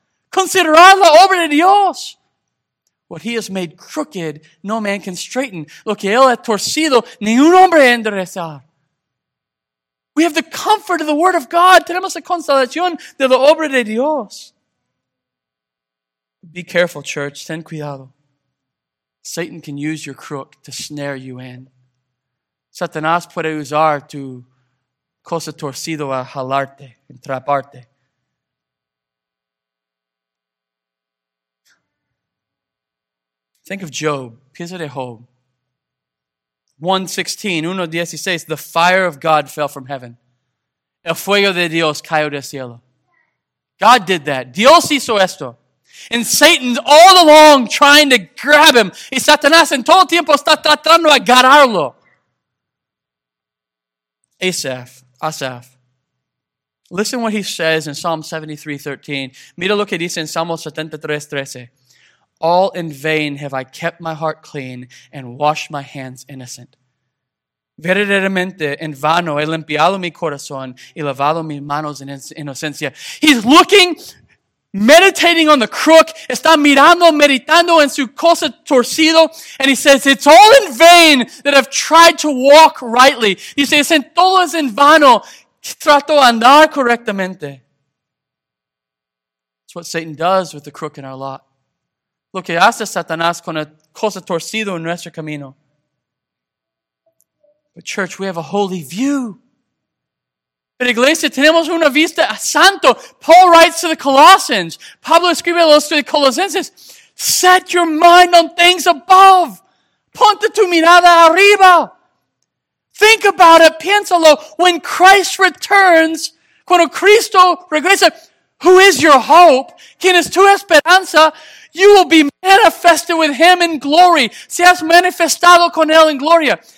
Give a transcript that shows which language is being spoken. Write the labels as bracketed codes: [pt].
[es] Considerar la obra de Dios. [en] What he has made crooked, no man can straighten. [es] Lo que él ha torcido, ni un hombre enderezar. [en] We have the comfort of the word of God. [es] Tenemos la consolación de la obra de Dios. [en] Be careful, church. [es] Ten cuidado. [en] Satan can use your crook to snare you in. [es] Satanás puede usar tu cosa torcido a jalarte, entraparte. [en] Think of Job. [es] Piensa de Job. [en] 1:16, the fire of God fell from heaven. [es] El fuego de Dios cayó del cielo. [en] God did that. [es] Dios hizo esto. [en] And Satan's all along trying to grab him. [es] Y Satanás en todo tiempo está tratando de agarrarlo. [en] Asaph. Listen what he says in Psalm 73:13. [es] Mira lo que dice en Salmo 73:13. [en] All in vain have I kept my heart clean and washed my hands innocent. [es] Verdaderamente, en vano he limpiado mi corazón y lavado mis manos en inocencia. [en] He's looking, meditating on the crook, [es] está mirando, meditando en su cosa torcido, [en] and he says, it's all in vain that I've tried to walk rightly. He says, [es] en todo es en vano, trato de andar correctamente. [en] It's what Satan does with the crook in our lot. [es] Lo que hace Satanás con la cosa torcida en nuestro camino. [en] But church, we have a holy view. [es] Pero iglesia, tenemos una vista santo. [en] Paul writes to the Colossians. [es] Pablo escribe a los Colosenses. [en] Set your mind on things above. [es] Ponte tu mirada arriba. [en] Think about it. [es] Piénsalo. [en] When Christ returns, [es] cuando Cristo regresa, [en] who is your hope? [es] ¿Quién es tu esperanza? [en] You will be manifested with him in glory. [es] Se has manifestado con él en gloria.